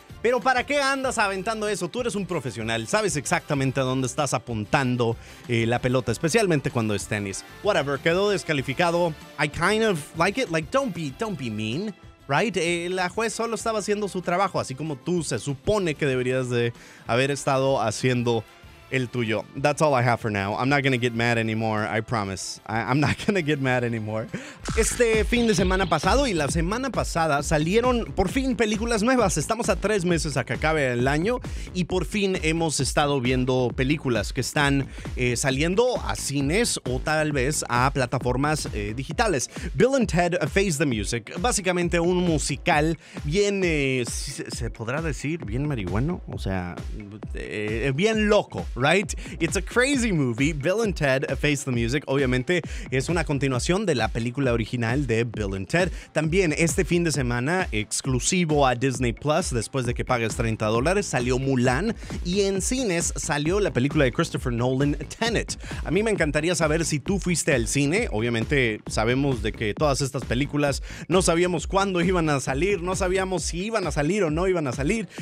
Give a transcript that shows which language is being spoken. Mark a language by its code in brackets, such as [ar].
[es] Pero ¿para qué andas aventando eso? Tú eres un profesional. Sabes exactamente a dónde estás apuntando la pelota, especialmente cuando es tenis. [en] Whatever, [es] quedó descalificado. [en] I kind of like it. Like, don't be mean, right? [es] La juez solo estaba haciendo su trabajo, así como tú se supone que deberías de haber estado haciendo el tuyo. [en] That's all I have for now. I'm not gonna get mad anymore, I promise. I'm not gonna get mad anymore. [es] Este fin de semana pasado y la semana pasada salieron por fin películas nuevas. Estamos a 3 meses a que acabe el año y por fin hemos estado viendo películas que están saliendo a cines o tal vez a plataformas digitales. Bill and Ted Face the Music, básicamente un musical bien, ¿se podrá decir? Bien marihuano, o sea, bien loco. Right? [en] It's a crazy movie, Bill and Ted Face the Music. [es] Obviamente es una continuación de la película original de Bill and Ted. También este fin de semana, exclusivo a Disney Plus, después de que pagues $30, salió Mulan. Y en cines salió la película de Christopher Nolan, Tenet. A mí me encantaría saber si tú fuiste al cine. Obviamente sabemos de que todas estas películas no sabíamos cuándo iban a salir, no sabíamos si iban a salir o no iban a salir.